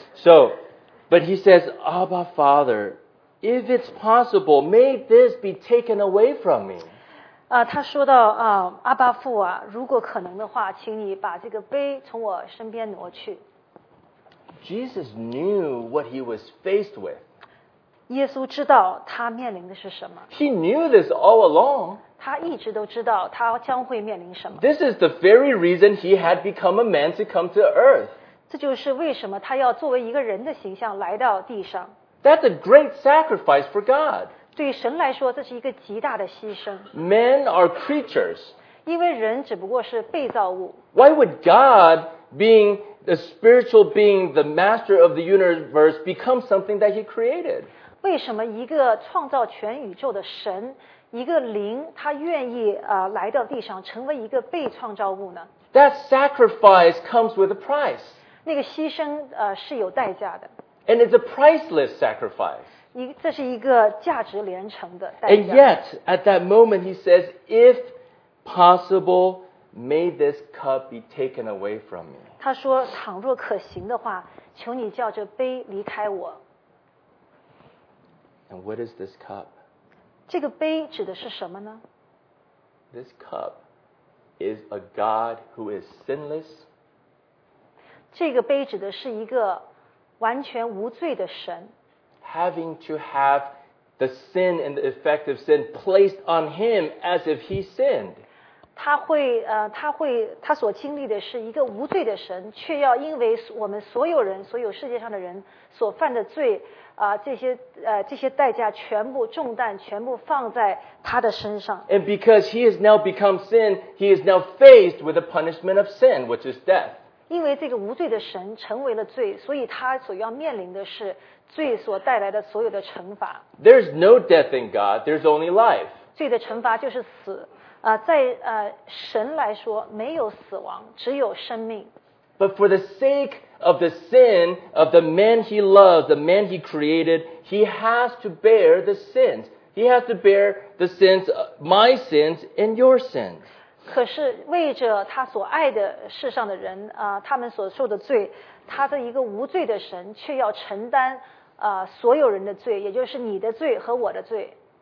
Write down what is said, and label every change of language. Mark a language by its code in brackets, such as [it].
[en] So, but he says, Abba, Father,If it's possible, may this be taken away from me. [zh] 他说到阿巴父啊，如果可能的话，请你把这个杯从我身边挪去。 [en] Jesus knew what he was faced with. [zh] 耶稣知道他面临的是什么。 [en] He knew this all along. [zh] 他一直都知道他将会面临什么。 [en] This is the very reason he had become a man to come to earth. [zh] 这就是为什么他要作为一个人的形象来到地上。 [en] That's a great sacrifice for God. [zh] 对神来说，这是一个极大的牺牲。 [en] Men are creatures. [zh] 因为人只不过是被造物。 [en] Why would God, being the spiritual being, the master of the universe, become something that he created? [zh] 为什么一个创造全宇宙的神，一个灵，他愿意来到地上，成为一个被创造物呢？ [en] That sacrifice comes with a price. [zh] 那个牺牲是有代价的。 [en] And it's a priceless sacrifice. [zh] 这是一个价值连城的代价。 [en] And yet, at that moment, he says, if possible, may this cup be taken away from me. [zh] 他说，倘若可行的话，求你叫这杯离开我。 [en] And what is this cup? [zh] 这个杯指的是什么呢？ [en] This cup is a God who is sinless. [zh] 这个杯指的是一个完全无罪的神 [en] having to have the sin and the effect of sin placed on him as if he sinned. [zh] 他所经历的是一个无罪的神却要因为我们所有人所有世界上的人所犯的罪这些代价全部重担全部放在他的身上 [en] And because he has now become sin, he is now faced with the punishment of sin, which is death. [zh] 因为这个无罪的神成为了罪，所以他所要面临的是罪所带来的所有的惩罚。 [en] There's no death in God, there's only life. [zh] 罪的惩罚就是死，在神来说没有死亡，只有生命。 [en] But for the sake of the sin of the man he loves, the man he created, he has to bear the sins. He has to bear the sins, my sins and your sins. [zh] 可是为着他所爱的世上的人，他们所受的罪，他的一个无罪的神却要承担所有人的罪，也就是你的罪和我的罪。